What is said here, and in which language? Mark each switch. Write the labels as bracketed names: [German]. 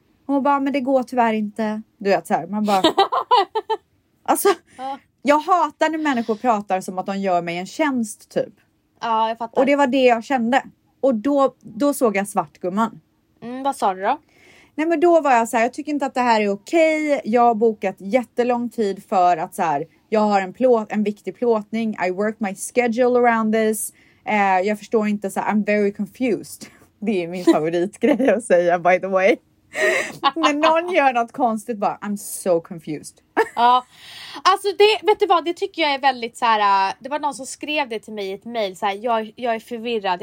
[Swedish] Hon bara, men det går tyvärr inte. Du vet så här, man bara. Alltså, jag hatar när människor pratar som att de gör mig en tjänst typ. Ja, jag fattar. Och det var det jag kände. Och då såg jag svartgumman. Mm, vad sa du då? Nej, men då var jag så här, jag tycker inte att det här är okej. Jag har bokat jättelång tid för att så här, jag har en viktig plåtning. [English] I worked my schedule around this. [Swedish] Jag förstår inte så här, [English] I'm very confused. [Swedish] Det är min favoritgrej att säga, [English] by the way. [Swedish] När någon gör något konstigt, bara, [English] I'm so confused. [Swedish] Ja, alltså det, vet du vad, det tycker jag är väldigt så här. Det var någon som skrev det till mig i ett mejl, så här, jag är förvirrad.